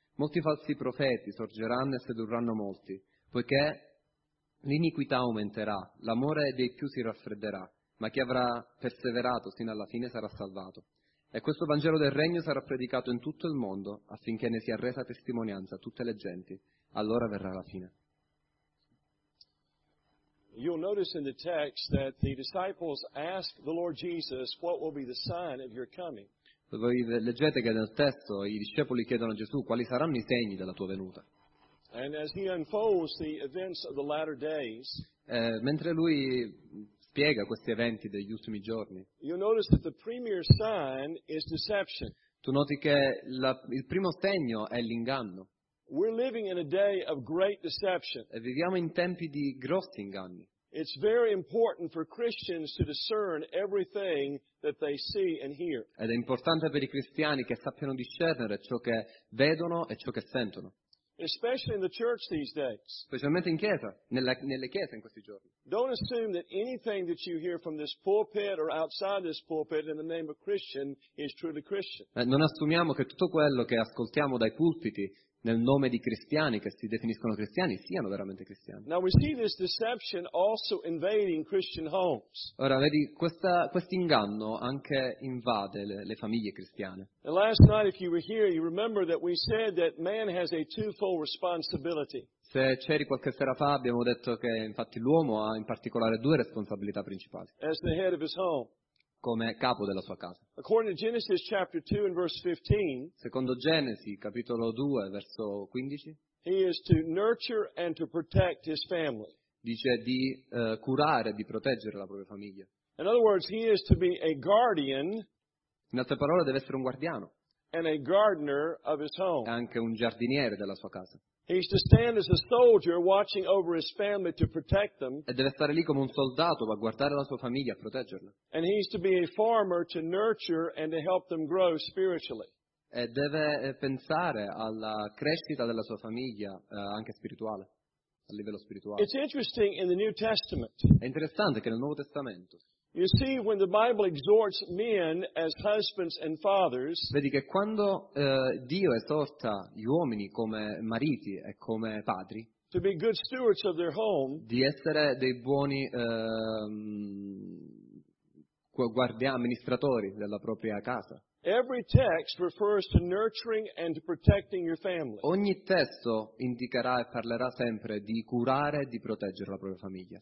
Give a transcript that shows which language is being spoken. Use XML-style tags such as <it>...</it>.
<it>Molti falsi profeti sorgeranno e sedurranno molti, poiché l'iniquità aumenterà, l'amore dei più si raffredderà, ma chi avrà perseverato sino alla fine sarà salvato. E questo Vangelo del Regno sarà predicato in tutto il mondo affinché ne sia resa testimonianza a tutte le genti. Allora verrà la fine.</it> <en>You'll notice in the text that the disciples ask the Lord Jesus, what will be the sign of your coming?</en> <it>Voi leggete che nel testo i discepoli chiedono a Gesù, quali saranno i segni della tua venuta?</it> <en>And as he unfolds the events of the latter days,</en> <it>mentre lui spiega questi eventi degli ultimi giorni,</it> <en>you'll notice that the premier sign is deception.</en> <it>Tu noti che il primo segno è l'inganno.</it> <en>We're living in a day of great deception.</en> <it>E viviamo in tempi di grossi inganni.</it> <en>It's very important for Christians to discern everything that they see and hear.</en> <it>Ed è importante per i cristiani che sappiano discernere ciò che vedono e ciò che sentono.</it> <en>Especially in the church these days.</en> <it>Specialmente in chiesa, nelle chiese in questi giorni.</it> <en>Don't assume that anything that you hear from this pulpit or outside this pulpit in the name of Christian is truly Christian.</en> <it>Non assumiamo che tutto quello che ascoltiamo dai pulpiti nel nome di cristiani che si definiscono cristiani siano veramente cristiani.</it> <en>Now we see this deception also invading Christian homes.</en> <it>Ora vedi questo inganno anche invade le famiglie cristiane.</it> <en>And last night if you were here you remember that we said that man has a twofold responsibility.</en> <it>Se c'eri qualche sera fa abbiamo detto che infatti l'uomo ha in particolare due responsabilità principali.</it> <en>As the head of his home.</en> <it>Come capo della sua casa.</it> <en>According to Genesis chapter 2 and verse 15.</en> <it>Secondo Genesi capitolo 2 verso 15.</it> <en>He is to nurture and to protect his family.</en> <it>Dice di curare e di proteggere la propria famiglia.</it> <en>In other words, he is to be a guardian.</en> <it>In altre parole, deve essere un guardiano.</it> <en>And a gardener of his home.</en> <it>E anche un giardiniere della sua casa.</it> <en>He is to stand as a soldier watching over his family to protect them.</en> <it>E deve stare lì come un soldato a guardare la sua famiglia, a proteggerla.</it> <en>And he is to be a farmer to nurture and to help them grow spiritually.</en> <it>E deve pensare alla crescita della sua famiglia anche spirituale, a livello spirituale.</it> <en>It's interesting in the New Testament.</en> <it>È interessante che nel Nuovo Testamento.</it> <en>You see, when the Bible exhorts men as husbands and fathers,</en> <it>vedi che quando Dio esorta gli uomini come mariti e come padri,</it> <en>to be good stewards of their home,</en> <it>di essere dei buoni guardiani, amministratori della propria casa,</it> <en>every text refers to nurturing and to protecting your family.</en> <it>Ogni testo indicherà e parlerà sempre di curare e di proteggere la propria famiglia.</it>